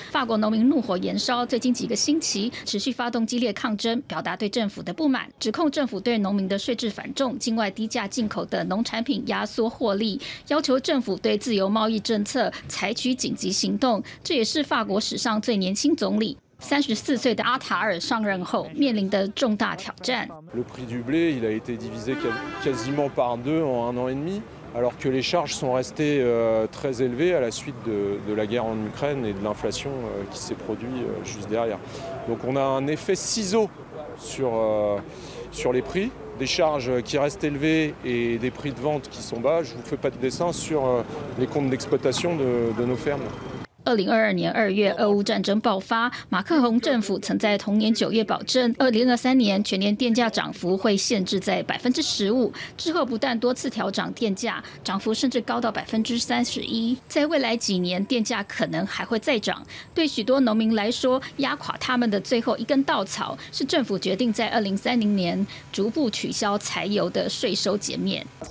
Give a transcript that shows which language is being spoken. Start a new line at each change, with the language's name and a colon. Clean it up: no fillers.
Chinese: 法国农民怒火燃烧，最近几个星期持续发动激烈抗争，表达对政府的不满，指控政府对农民的税制反重，境外低价进口的农产品压缩获利，要求政府对自由贸易政策采取紧急行动。这也是法国史上最年轻总理34岁的阿塔尔上任后面临的重大挑战。
French: Le prix du blé, il a été divisé quasiment par deux en un an et demi, alors que les charges sont restées très élevées à la suite de la guerre en Ukraine et de l'inflation qui s'est produite juste derrière. Donc on a un effet ciseau sur les prix, des charges qui restent élevées et des prix de vente qui sont bas. Je vous fais pas de dessin sur les comptes d'exploitation de nos fermes.
Chinese: 2022年2月，俄乌战争爆发，马克宏政府曾在同年9月保证，2023年全年电价涨幅会限制在15%。之后不但多次调涨电价，涨幅甚至高到31%。在未来几年，电价可能还会再涨。对许多农民来说，压垮他们的最后一根稻草是政府决定在2030年逐步取消柴油的税收减免。